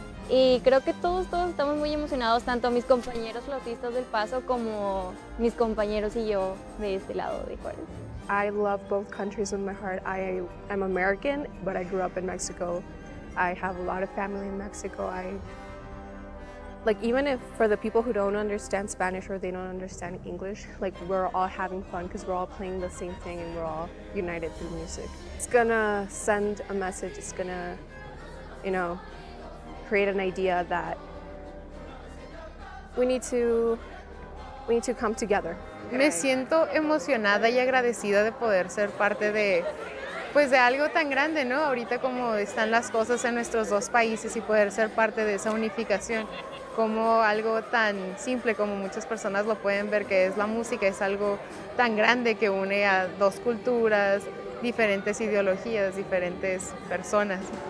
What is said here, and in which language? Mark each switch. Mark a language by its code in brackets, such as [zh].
[es] Y creo que todos estamos muy emocionados, tanto mis compañeros flautistas del Paso como mis compañeros y yo de este lado de Juárez. [en] I love both countries with my heart. I am American, but I grew up in Mexico. I have a lot of family in Mexico. Even if for the people who don't understand Spanish or they don't understand English, like, we're all having fun because we're all playing the same thing and we're all united through music. It's gonna send a message. It's gonna, you know, create an idea that we need to come together. [es] Me siento emocionada y agradecida de poder ser parte de, pues de algo tan grande, ¿no? Ahorita como están las cosas en nuestros dos países y poder ser parte de esa unificación, como algo tan simple como muchas personas lo pueden ver, que es la música, es algo tan grande que une a dos culturas, diferentes ideologías, diferentes personas.